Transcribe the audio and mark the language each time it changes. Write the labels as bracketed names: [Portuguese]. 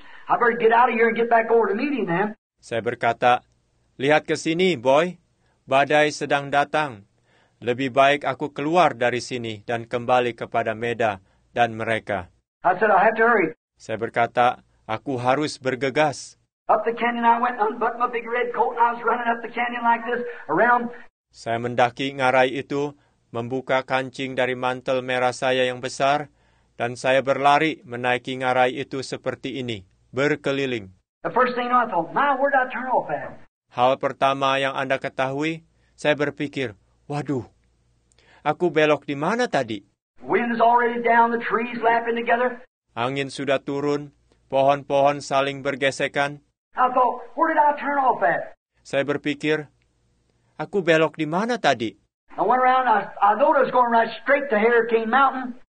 [English] I better get out of here and get back over to meeting them. [Indonesian] Saya berkata, lihat ke sini, boy. Badai sedang datang. lebih baik aku keluar dari sini dan kembali kepada Meda dan mereka. [English] I said, I have to hurry. [Indonesian] Saya berkata, aku harus bergegas. [English] Up the canyon I went, unbuttoned my big red coat, and I was running up the canyon like this, around. [Indonesian] Saya mendaki ngarai itu, membuka kancing dari mantel merah saya yang besar, dan saya berlari menaiki ngarai itu seperti ini, berkeliling. [English] The first thing I thought, my word, I turn off at. [Indonesian] Hal pertama yang Anda ketahui, saya berpikir, waduh, aku belok di mana tadi? [English] Wind's already down, the trees lapping together. [Indonesian] Angin sudah turun, pohon-pohon saling bergesekan. [English] I thought, where did I turn off at? [Indonesian] Saya berpikir, aku belok di mana tadi? [English] I went around, I thought I was going right straight to Hurricane Mountain.